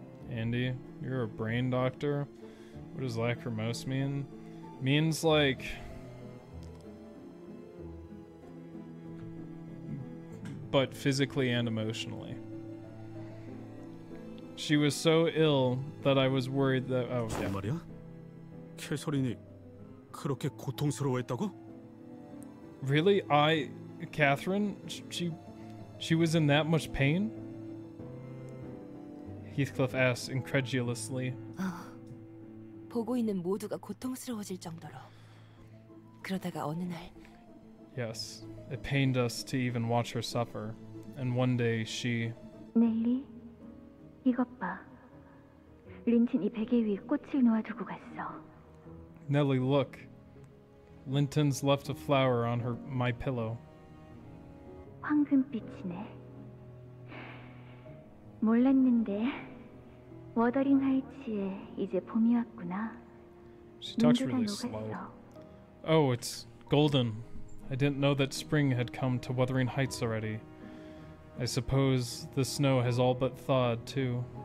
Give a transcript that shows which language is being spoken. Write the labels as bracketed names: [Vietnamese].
[English] Andy, you're a brain doctor. What does lachrymose mean? Means like... But physically and emotionally. She was so ill that I was worried that. Oh, yeah. [Korean] 말이야? 캐서린이 그렇게 고통스러워했다고? [English] Really? I. Catherine? She was in that much pain? Heathcliff asked incredulously. [Korean] 보고 있는 모두가 고통스러워질 정도로. 그러다가 어느 날. [English] Yes, it pained us to even watch her suffer, and one day she... [Korean] Nelly, 이것 봐. 린튼이 베개 위에 꽃을 놓아두고 갔어. [English] Nelly, look. Linton's left a flower on her my pillow. [Korean] 황금빛이네. 몰랐는데, 워더링 하이츠에 이제 봄이 왔구나. [English] She talks really slow. Oh, it's golden. I didn't know that spring had come to Wuthering Heights already. I suppose the snow has all but thawed, too.